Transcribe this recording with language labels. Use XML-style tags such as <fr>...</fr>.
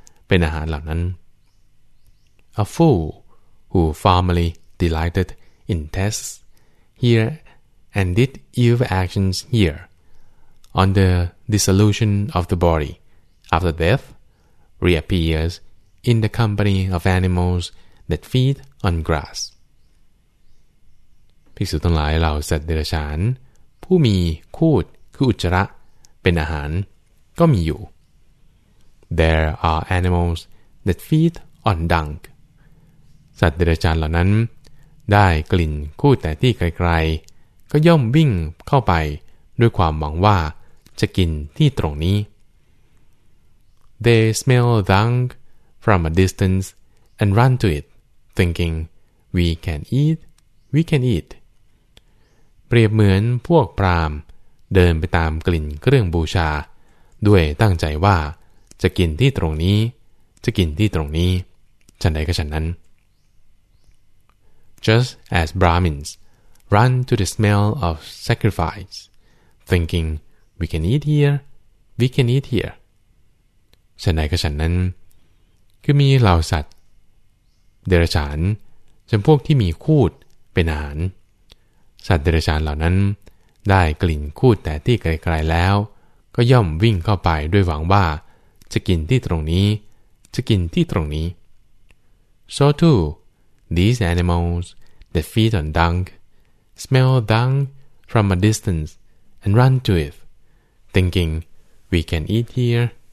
<th>เป็นอาหารเหล่านั้น</th> <en>A fool who formerly delighted in tests here and did evil actions here on the dissolution of the body after death reappears in the company of animals that feed on grass</en> <th>ภิกษุทั้งหลายเหล่าสัตว์เดรัจฉานผู้มีคูฏคืออุจจาระเป็นอาหารก็มีอยู่</th> <en>There are animals that feed on dung</en> <th>สัตว์เดรัจฉานเหล่านั้นได้กลิ่นคูฏแต่ที่ไกลๆก็ย่อมวิ่งเข้าไปด้วยความหวังว่าจะกินที่ตรงนี้</th> <en>They smell dung from a distance and run to it thinking we can eat</en> <th>เปรียบเหมือนพวกพราหมณ์เดินไปตามกลิ่นเครื่องบูชาด้วยตั้งใจว่าจะกินที่ตรงนี้จะกินที่ตรงนี้ฉันใดก็ฉันนั้น</th> <en>Just as Brahmins run to the smell of sacrifice thinking we can eat here</en> <th>ฉันใดก็ฉันนั้นคือมีเหล่าสัตว์เดรัจฉานจำพวกที่มีคูฏเป็นอาหารสัตว์เดรัจฉานเหล่านั้นได้กลิ่นคูฏแต่ที่ไกลๆแล้วก็ย่อมวิ่งเข้าไปด้วยหวังว่าจะกินที่ตรงนี้จะกินที่ตรงนี้</th> <en>So too these animals that feed on dung smell dung from a distance and run to it thinking we can eat here</en>